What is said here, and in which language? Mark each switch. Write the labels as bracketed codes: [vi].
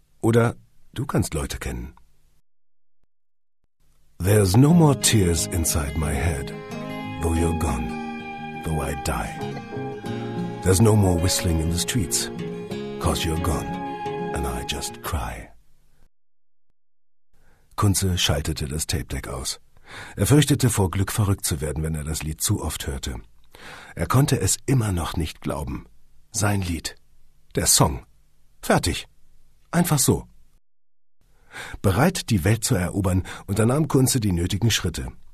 [de] Oder du kannst Leute kennen. [en] There's no more tears inside my head, though you're gone, though I die. There's no more whistling in the streets, 'cause you're gone, and I just cry. [de] Kuntze schaltete das Tape-Deck aus. Er fürchtete vor Glück verrückt zu werden, wenn er das Lied zu oft hörte. Er konnte es immer noch nicht glauben. Sein Lied. Der Song. Fertig. Einfach so. Bereit, die Welt zu erobern, unternahm Kuntze die nötigen Schritte.